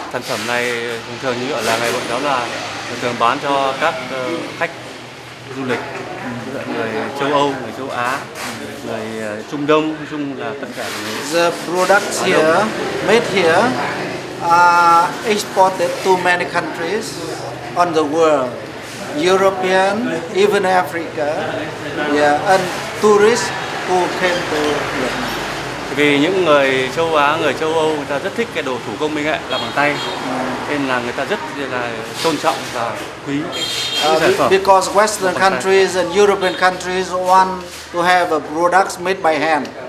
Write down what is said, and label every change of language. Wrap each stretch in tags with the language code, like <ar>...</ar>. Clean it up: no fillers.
<vi>Sản phẩm này thường thường như ở làng này bọn cháu là thường bán cho các khách du lịch, người châu Âu, người châu Á, người Trung Đông, nói chung là tất cả người.</vi> <en>The products here, made here, are exported to many countries on the world. European, even Africa, yeah, and tourists who came to Vietnam.</en> <vi>Vì những người châu Á, người châu Âu, người ta rất thích cái đồ thủ công minh nghệ làm bằng tay, nên là người ta rất là tôn trọng và quý cái sản phẩm.</vi> <en>Because Western countries and European countries want to have a products made by hand.</en>